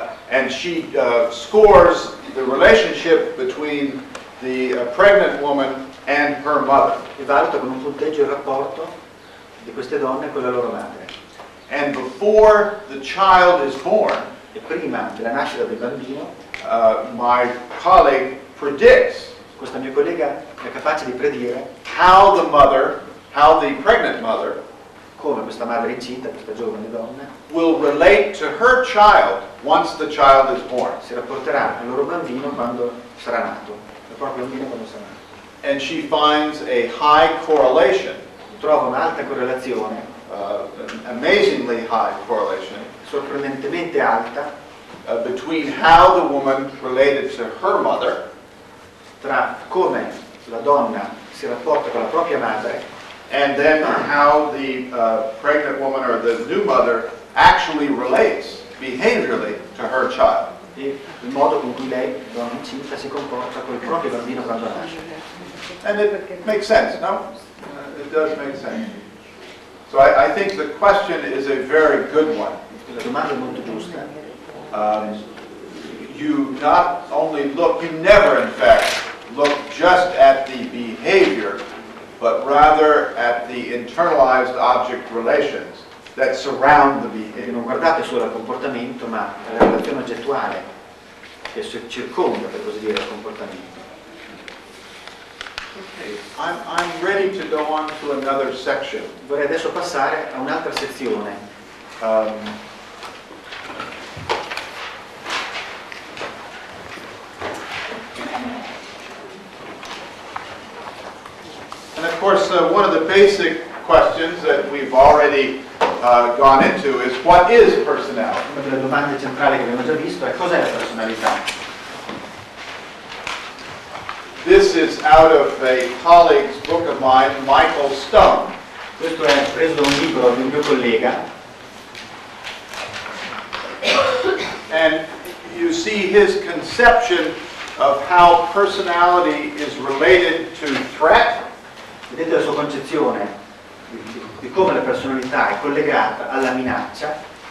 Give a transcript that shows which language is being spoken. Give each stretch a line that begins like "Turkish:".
English: And she scores the relationship between the pregnant woman and her mother.
Italian: E valuta con un punteggio il rapporto di queste donne con la loro madre.
English: And before the child is born,
Italian: e prima della nascita del bambino,
English: my colleague predicts,
Italian: questa mia collega è capace di predire,
English: how the pregnant mother,
Italian: come questa madre incinta, questa giovane donna,
English: will relate to her child once the child is born.
Italian: Si rapporterà al loro bambino quando sarà nato. Il proprio bambino quando sarà nato.
English: and she finds a high correlation.
Italian: Trova un'alta correlazione.
English: Amazingly high correlation.
Italian: Sorprendentemente alta.
English: Between how the woman related to her mother.
Italian: Tra come la donna si rapporta con la propria madre.
English: And then how the pregnant woman or the new mother actually relates behaviorally to her child.
Italian: Il modo con cui lei, donna incinta, si comporta col proprio bambino quando nasce.
English: And it makes sense, no? It does make sense. So I think the question is a very good one.
Italian: La domanda è molto giusta.
English: You not only look, you never in fact look just at the behavior, but rather at the internalized object relations that surround the behavior.
Italian: Non guardate solo al comportamento, ma alla relazione oggettuale che circonda, per così dire, il comportamento.
English: Okay, I'm ready to go on to another section.
Italian: Vorrei adesso passare a un'altra sezione.
English: And of course, one of the basic questions that we've already gone into is what is personality?
Italian: Una delle domande centrali che abbiamo già visto è cos'è la personalità?
English: This is out of a colleague's book of mine, Michael Stone.
Italian: Questo è preso da un libro di un mio collega.
English: And you see his conception of how personality is related to threat.
Italian: Vedete la sua concezione di come la personalità è collegata alla minaccia.